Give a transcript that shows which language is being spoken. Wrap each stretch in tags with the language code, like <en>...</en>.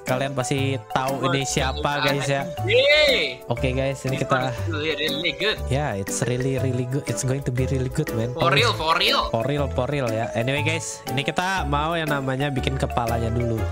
<id>Kalian pasti tahu ini siapa guys ya. Okay guys, ini kita.</id> <en>Yeah, it's really really good. It's going to be really good man. For real</en> <id>ya. Anyway guys, ini kita mau yang namanya bikin kepalanya dulu.</id>